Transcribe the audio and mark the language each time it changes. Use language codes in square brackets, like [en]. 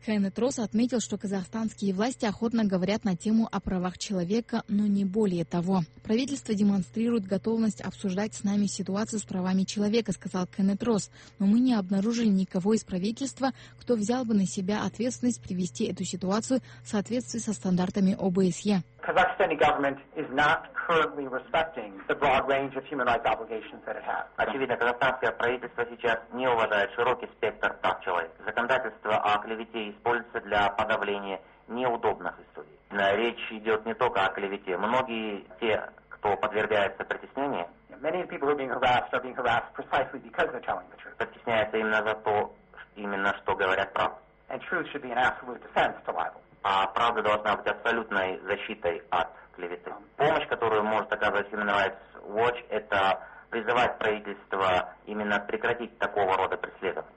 [ru] Хайнет Росс отметил, что казахстанские власти охотно говорят на тему о правах человека, но не более того. Правительство демонстрирует готовность обсуждать с нами ситуацию с правами человека, сказал Хайнет Росс. Но мы не обнаружили никого из правительства, кто взял бы на себя ответственность привести эту ситуацию в соответствии со стандартами ОБСЕ. [en] Казахстанский government is not currently respecting the broad range of human rights obligations that it has. [ru] Очевидно, казахстанское правительство сейчас не уважает широкий спектр прав человека. Законодательство о клевете используется для подавления неудобных историй. Речь идет не только о клевете. Многие те, кто подвергается притеснению, [en] many of the people who are being harassed precisely because they're telling the truth. [ru] Притесняются именно за то, именно что говорят правду. [en] And truth should be an absolute defense to libel. [ru] А правда должна быть абсолютной защитой от клеветы. Помощь, которую может оказывать Human Rights Watch, это призывать правительство именно прекратить такого рода преследования.